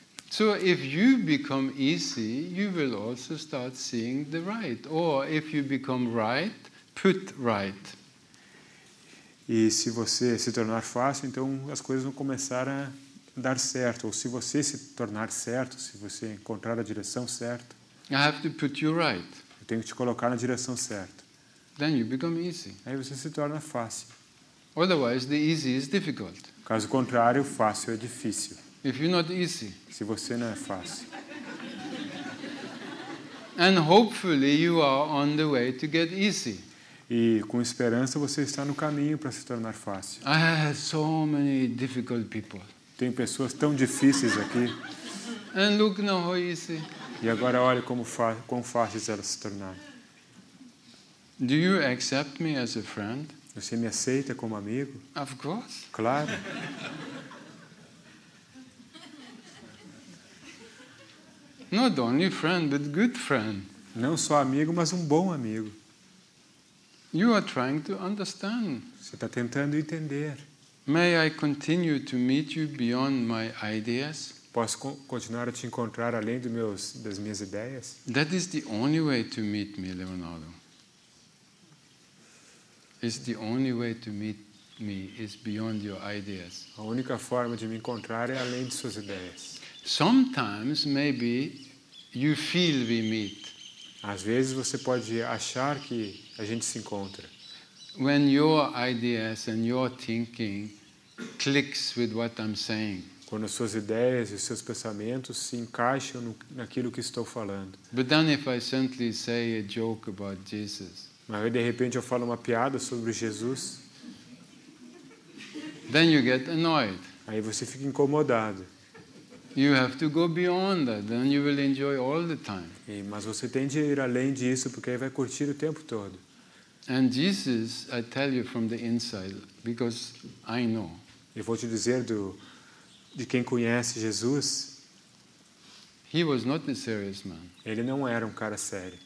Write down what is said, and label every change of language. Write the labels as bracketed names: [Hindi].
[English] So if you become easy, you will also start seeing the right. Or if you become right, put right. [Portuguese] E se você se tornar fácil, então as coisas vão começar a dar certo. Ou se você se tornar certo, se você encontrar a direção certa, [English] I have to put you right. [Portuguese] Eu tenho que te colocar na direção certa. [English] Then you become easy. [Portuguese] Aí você se torna fácil. [English] Otherwise, the easy is difficult. [Portuguese] Caso contrário, fácil é difícil. [English] If you're not easy. [Portuguese] Se você não é fácil. [English] And hopefully you are on the way to get easy. [Portuguese] E com esperança você está no caminho para se tornar fácil. [English] I have so many difficult people. [Portuguese] Tem pessoas tão difíceis aqui. [English] And look now how easy. [Portuguese] E agora olha como quão fáceis elas se tornaram. [English] Do you accept me as a friend? [Portuguese] Você me aceita como amigo? [English] Of course. [Portuguese] Claro. [English] Not only friend, but good friend. [Portuguese] Não só amigo, mas um bom amigo. [English] You are trying to understand. [Portuguese] Você está tentando entender. [English] May I continue to meet you beyond my ideas? [Portuguese] Posso continuar a te encontrar além das minhas ideias? [English] That is the only way to meet me, Leonardo. It's the only way to meet me is beyond your ideas. [Portuguese] A única forma de me encontrar é além de suas ideias. [English] Sometimes maybe you feel we meet. [Portuguese] Às vezes você pode achar que a gente se encontra. [English] When your ideas and your thinking clicks with what I'm saying. [Portuguese] Quando suas ideias e seus pensamentos se encaixam naquilo que estou falando. [English] But then if I suddenly say a joke about Jesus. [Portuguese] Mas aí de repente eu falo uma piada sobre Jesus. [English] Then you get annoyed. [Portuguese] Aí você fica incomodado. [English] You have to go beyond that, then you will enjoy all the time. [Portuguese] Mas você tem de ir além disso, porque aí vai curtir o tempo todo. [English] And Jesus, I tell you from the inside, because I know. [Portuguese] Eu vou te dizer de quem conhece Jesus. [English] He was not a serious man. [Portuguese] Ele não era um cara sério.